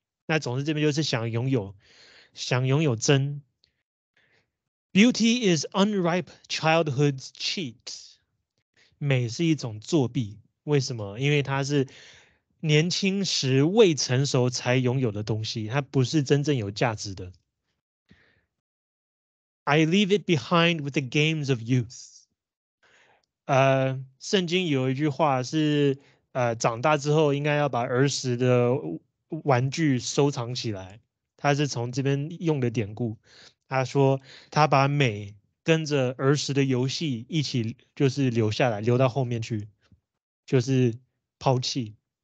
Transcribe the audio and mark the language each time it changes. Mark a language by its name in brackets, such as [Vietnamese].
[Chinese] 那总之这边就是想拥有，想拥有真。 [English] Beauty is unripe childhood's cheat. [Chinese] 美是一种作弊。为什么？因为它是年轻时未成熟才拥有的东西，它不是真正有价值的。 [English] I leave it behind with the games of youth. [Chinese] 圣经有一句话是长大之后应该要把儿时的玩具收藏起来。他是从这边用的典故。他说他把美跟着儿时的游戏一起就是留下来，留到后面去，就是抛弃。